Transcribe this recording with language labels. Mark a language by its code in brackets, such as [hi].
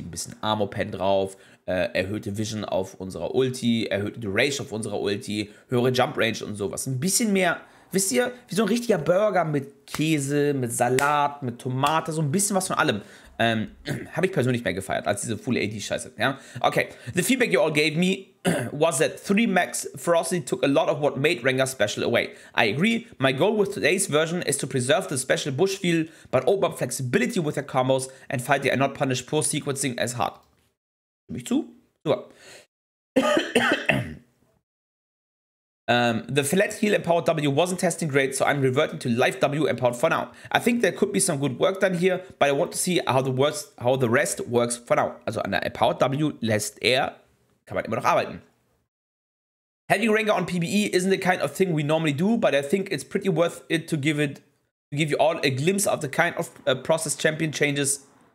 [de] Ein bisschen Armor Pen drauf, erhöhte Vision auf unserer Ulti, erhöhte Duration auf unserer Ulti, höhere Jump Range und sowas. Ein bisschen mehr, wisst ihr, wie so ein richtiger Burger mit Käse, mit Salat, mit Tomate, so ein bisschen was von allem. Habe ich persönlich mehr gefeiert als diese Full 80 Scheiße. Ja? [en] Okay, the feedback you all gave me was that 3 Max Ferocity took a lot of what made Rengar special away. I agree, my goal with today's version is to preserve the special bush feel, but open up flexibility with your combos and fight the and not punish poor sequencing as hard. [de] Stimme ich zu? Super. [en] the flat heal empowered W wasn't testing great, so I'm reverting to live W empowered for now. I think there could be some good work done here, but I want to see how the rest works for now. [de] Also an der empowered W lässt er kann man immer noch arbeiten. [en] Having Rengar on PBE isn't the kind of thing we normally do, but I think it's pretty worth it to give it, to give you all a glimpse of the kind of process champion changes.